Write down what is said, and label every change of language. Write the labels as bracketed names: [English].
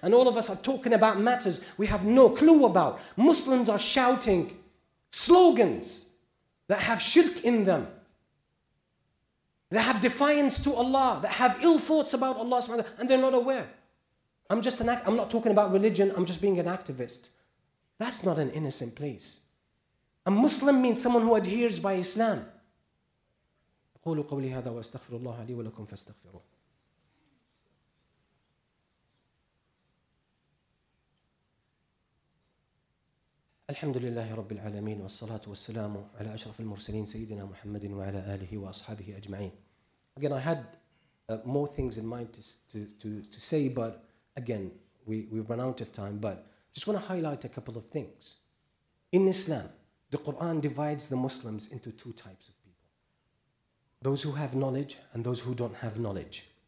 [English] And all of us are talking about matters we have no clue about. Muslims are shouting slogans that have shirk in them, that have defiance to Allah, that have ill thoughts about Allah, and they're not aware. I'm not talking about religion, I'm just being an activist. That's not an innocent place. A Muslim means someone who adheres by Islam. [Arabic] قولوا قولي هذا واستغفر الله لي ولكم فاستغفروه. الحمد لله رب العالمين والصلاة والسلام على أشرف المرسلين سيدنا محمد وعلى آله وأصحابه أجمعين. [English] Again, I had more things in mind to say, but again, we run out of time. But just want to highlight a couple of things. In Islam, the Quran divides the Muslims into two types of people: those who have knowledge and those who don't have knowledge.